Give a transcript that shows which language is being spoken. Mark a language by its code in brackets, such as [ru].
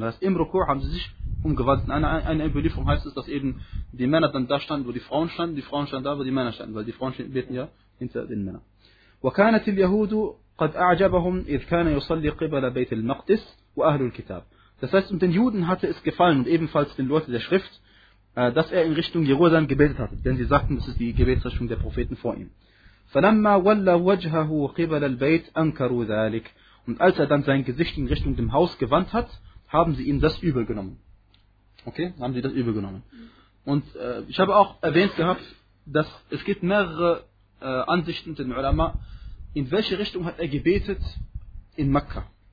[de] Das heißt, im Rukur haben sie sich umgewandt. Eine Überlieferung heißt es, dass eben die Männer dann da standen, wo die Frauen standen da, wo die Männer standen, weil die Frauen beten ja hinter den Männern. [ar] وَكَانَتِ الْيَهُودُ قَدْ أَعْجَبَهُمْ إِذْ كَانَ يُصَلِّي قِبَلَ بَيْتِ الْمَقْدِسِ وَأَهْلُ الْكِتَابِ. [de] Das heißt, und den Juden hatte es gefallen und ebenfalls den Leuten der Schrift, dass er in Richtung Jerusalem gebetet hatte, denn sie sagten, das ist die Gebetsrichtung der Propheten vor ihm. [ar] فلما ولى وجهه قبل البيت انكروا ذلك. [de] Und als er dann sein Gesicht in Richtung dem Haus gewandt hat, haben sie ihm das übel genommen. Okay, haben sie das übel genommen. Und ich habe auch erwähnt gehabt, dass es gibt mehrere Ansichten unter den Ulama, in welche Richtung hat er gebetet in Mekka.